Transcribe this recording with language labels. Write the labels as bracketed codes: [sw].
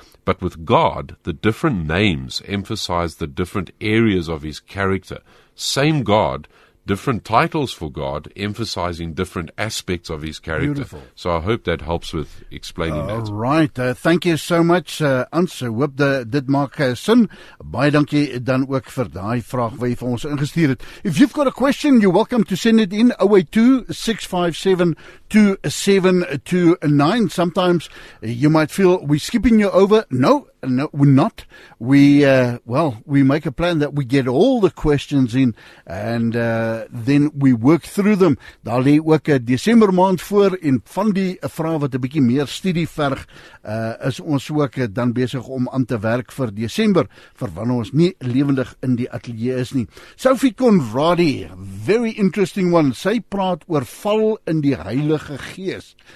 [en] But with God, the different names emphasize the different areas of his character. Same God, different titles for God, emphasizing different aspects of his character. Beautiful. So I hope that helps with explaining that. All right. Thank you so much, Anse. [af] Hoop, dit maak sin. Baie dankie dan ook vir die vraag wat jy vir ons ingestuur het. [en] If you've got a question, you're welcome to send it in 082-657-2729. Sometimes you might feel we're skipping you over. No, we're not. We make a plan that we get all the questions in, and then we work through them. [af] Daar lê ook 'n Desember maand voor, en van die vrae wat 'n bietjie meer studie verg, is ons ook dan besig om aan te werk vir Desember, vir wanneer ons nie lewendig in die ateljee is nie. Sophie Conradi, [en] very interesting one. [af] Sy praat oor val in die Heilige Gees.